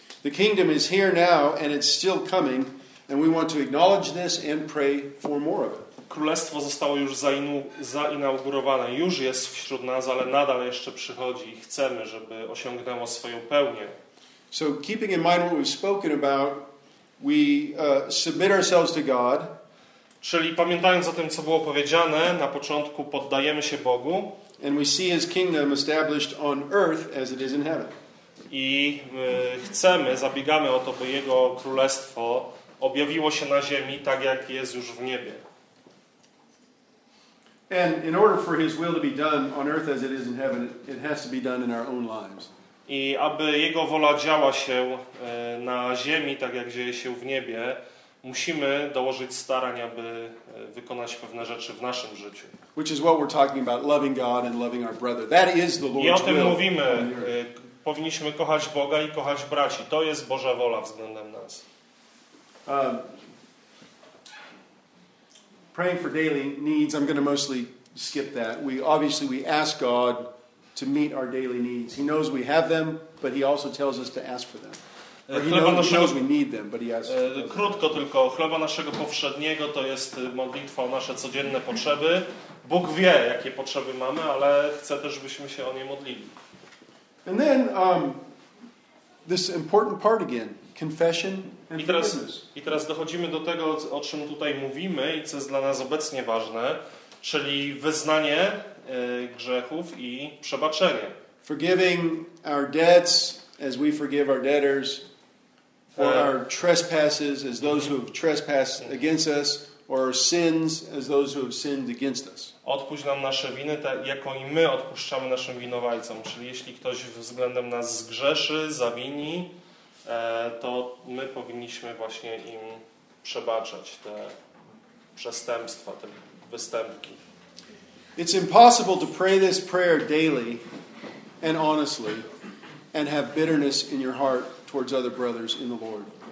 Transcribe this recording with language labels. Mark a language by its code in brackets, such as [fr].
[en] The kingdom is here now and it's still coming and we want to acknowledge this and pray for more of it. [pl] Królestwo zostało już zainaugurowane, już jest wśród nas, ale nadal jeszcze przychodzi i chcemy, żeby osiągnęło swoją pełnię. [en] So keeping in mind what we've spoken about, we submit ourselves to God. [pl] Czyli pamiętając o tym, co było powiedziane na początku, poddajemy się Bogu. [en] And we see his kingdom established on earth as it is in heaven. [pl] I chcemy, zabiegamy o to, by jego królestwo objawiło się na ziemi tak, jak jest już w niebie. [en] And in order for his will to be done on earth as it is in heaven, it has to be done in our own lives. [pl] I aby jego wola działa się na ziemi tak jak dzieje się w niebie, musimy dołożyć starań, aby wykonać pewne rzeczy w naszym życiu. [en] Which is what we're talking about, loving God and loving our brother. That is the Lord's will. [pl] I o tym mówimy, powinniśmy kochać Boga i kochać braci. To jest Boża wola względem nas. [en] Praying for daily needs, I'm going to mostly skip that. We ask God to meet our daily needs. He knows we have them, but he also tells us to ask for them. He knows we need them, but he asks. [pl] Krótko tylko, chleba naszego powszedniego to jest modlitwa o nasze codzienne potrzeby. Bóg wie, jakie potrzeby mamy, ale chce też, byśmy się o nie modlili. [en] And then this important part again. Confession and forgiveness. [pl] I teraz dochodzimy do tego, o czym tutaj mówimy i co jest dla nas obecnie ważne, czyli wyznanie grzechów i przebaczenie. [en] Forgiving our debts as we forgive our debtors, or our trespasses as those who have trespassed against us, or our sins as those who have sinned against us. [pl] Odpuść nam nasze winy, tak jako i my odpuszczamy naszym winowajcom. Czyli jeśli ktoś względem nas zgrzeszy, zawini, to my powinniśmy właśnie im przebaczać te przestępstwa, te występki. [en] It's impossible to pray this prayer daily and honestly and have bitterness in your heart towards other brothers in the Lord.